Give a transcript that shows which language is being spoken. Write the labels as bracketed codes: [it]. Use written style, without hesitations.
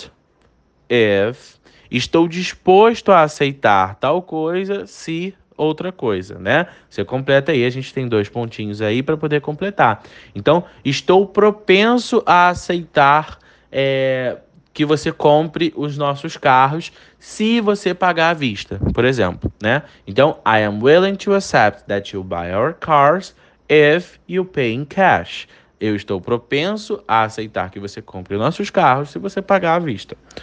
[en] I am willing to accept if [pt] estou disposto a aceitar tal coisa se outra coisa, né? Você completa aí, a gente tem dois pontinhos aí para poder completar. Então, estou propenso a aceitar que você compre os nossos carros se você pagar à vista, por exemplo, né? [en] Então, I am willing to accept that you buy our cars if you pay in cash. [pt] Eu estou propenso a aceitar que você compre nossos carros se você pagar à vista.